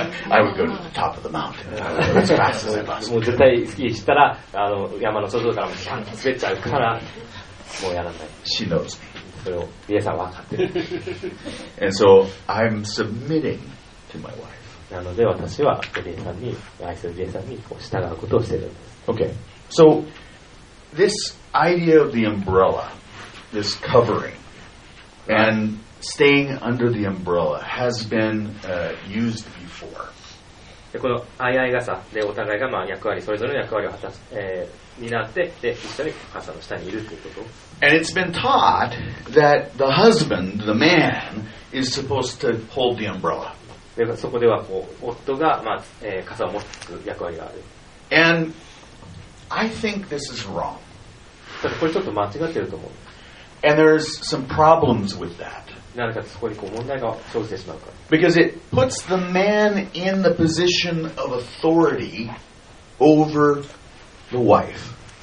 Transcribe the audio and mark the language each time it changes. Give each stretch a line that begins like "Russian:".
English: I would go to the top of the mountain.
Japanese: もう絶対スキーしたら山の外からもシャンと滑っちゃうからもうやらない。
English: She knows me.
Japanese: それをリエさんは分かってる。
English: And so I'm submitting to my wife.
Japanese: なので私はリエさんに愛するリエさんにこう従うことをしてるんです。
English: Okay. So this idea of the umbrella, this covering. And staying under the umbrella has been、used before.
Japanese: でこのあいあい傘でお互いがまあ役割それぞれの役割を果たす、担ってで一緒に傘の下にいるということ。
English: And it's been taught that the husband, the man, is supposed to hold the umbrella.
Japanese: でそこではこう夫が、まあ傘を持つ役割がある。
English: And I think this is wrong.
Japanese: これちょっと間違ってると思う。
English: And there's some problems with that. Because it puts the man in the position of authority over the wife.